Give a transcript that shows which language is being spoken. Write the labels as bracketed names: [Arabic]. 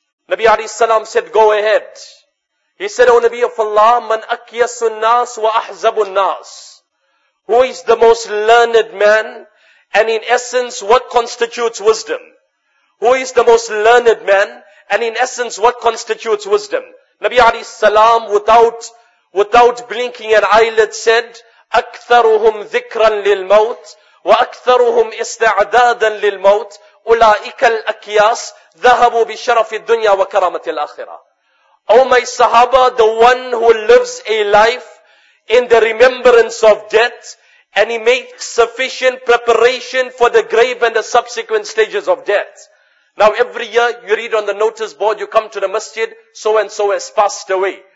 [English] Nabi [Arabic] عليه السلام [English] said, go ahead. He said, O Nabi of Allah, [Arabic] مَنْ أَكْيَسُ النَّاسُ وَأَحْزَبُ النَّاسُ. [English] Who is the most learned man? And in essence, what constitutes wisdom? Who is the most learned man? And in essence, what constitutes wisdom? Nabi alayhi salam, without blinking an eyelid, said, [Arabic] أَكْثَرُهُمْ ذِكْرًا لِلْمَوْتِ وَأَكْثَرُهُمْ إِسْتَعْدَادًا لِلْمَوْتِ أُولَٰئِكَ الْأَكْيَاسِ ذَهَبُوا بِشَرَفِ الدُّنْيَا وَكَرَامَةِ الْآخِرَةِ. [English] O my Sahaba, the one who lives a life in the remembrance of death, and he makes sufficient preparation for the grave and the subsequent stages of death. Now every year you read on the notice board, you come to the masjid, so and so has passed away.